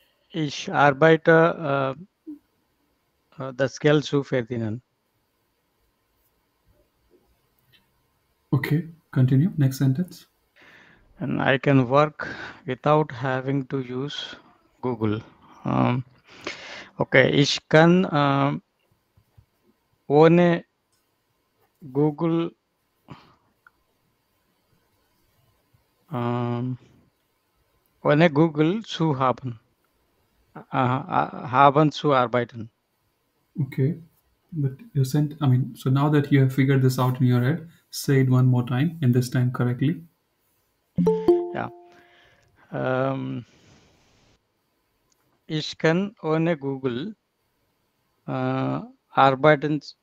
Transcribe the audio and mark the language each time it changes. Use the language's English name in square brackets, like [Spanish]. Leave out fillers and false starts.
[German] Ich arbeite das Geld zu verdienen. [English] Okay, continue. Next sentence. And I can work without having to use Google. [German] Ich kann ohne Google ohne Google zu haben, haben zu arbeiten. [English] Okay, but you sent, so now that you have figured this out in your head, say it one more time, and this time correctly. Yeah. [German] Ich kann ohne Google arbeiten.